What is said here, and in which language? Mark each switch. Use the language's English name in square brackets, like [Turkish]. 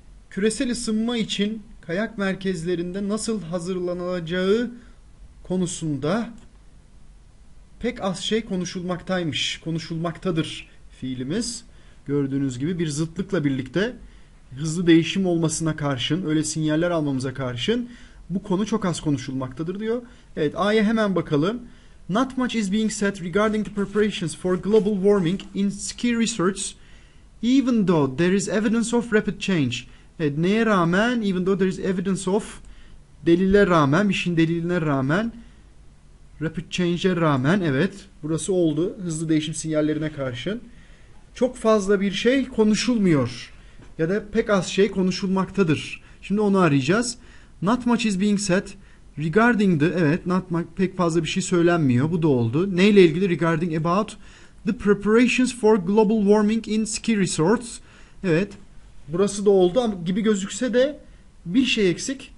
[Turkish] Küresel ısınma için kayak merkezlerinde nasıl hazırlanacağı konusunda pek az şey konuşulmaktadır fiilimiz. Gördüğünüz gibi bir zıtlıkla birlikte hızlı değişim olmasına karşın, öyle sinyaller almamıza karşın bu konu çok az konuşulmaktadır diyor. Evet, A'ya hemen bakalım. [English] Not much is being said regarding the preparations for global warming in ski resorts, even though there is evidence of rapid change. [Turkish] Evet, neye rağmen? [English] Even though there is evidence of, [Turkish] delile rağmen, bir şeyin deliline rağmen, rapid change'e rağmen, evet, burası oldu. Hızlı değişim sinyallerine karşın çok fazla bir şey konuşulmuyor ya da pek az şey konuşulmaktadır. Şimdi onu arayacağız. [English] Not much is being said regarding the, [Turkish] evet, [English] not much, [Turkish] pek fazla bir şey söylenmiyor. Bu da oldu. Neyle ilgili? [English] Regarding about the preparations for global warming in ski resorts. [Turkish] Evet. Burası da oldu ama gibi gözükse de bir şey eksik.